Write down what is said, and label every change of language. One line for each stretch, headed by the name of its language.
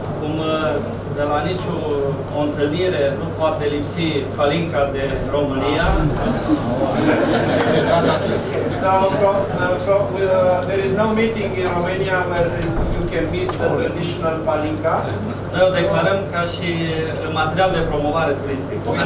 Romanian: Cum de la nicio o întâlnire nu poate lipsi palinca de România.
English: There is no meeting in Romania where you can miss the traditional palinca.
Romanian: Noi o declarăm ca și material de promovare turistic.